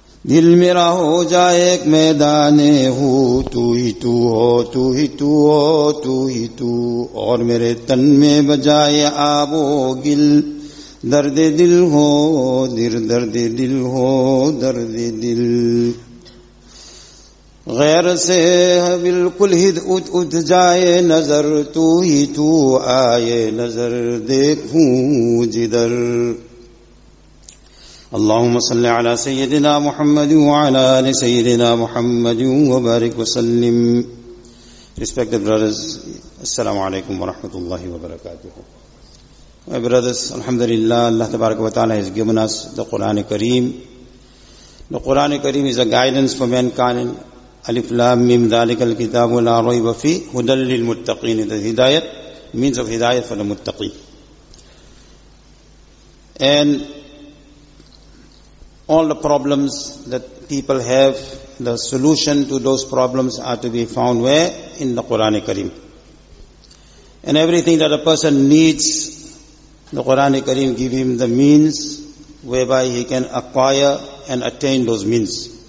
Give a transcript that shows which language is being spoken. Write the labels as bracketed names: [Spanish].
[Urdu] دل میرا ہو جائے ایک میدان ہو، تو ہی تو ہو، تو ہی تو ہو، تو ہی تو، اور میرے تن میں بجائے آب و گل، درد دل ہو، درد دل ہو، درد دل، غیر سے بالکل ہی اٹھ جائے نظر، تو ہی تو آئے نظر، دیکھوں جدر. [Arabic] اللهم صل على سيدنا محمد وعلى آل سيدنا محمد وبارك وسلم. [English] Respected brothers, [Arabic] السلام عليكم ورحمة الله وبركاته. [English] My brothers, alhamdulillah, Allah [Arabic] تبارك وتعالى [English] has given us the Quran Kareem. The Quran Kareem is a guidance for mankind. [Arabic] Alif Lam Mim ذَلِكَ الْكِتَابُ لَا رَيْبَ فِيهِ هُدًى لِلْمُتَّقِينَ. [English] The Hidayat means of Hidayat for the Muttaqeen. And all the problems that people have, the solution to those problems are to be found where? In the Qur'an Kareem. And everything that a person needs, the Qur'an Kareem give him the means whereby he can acquire and attain those means.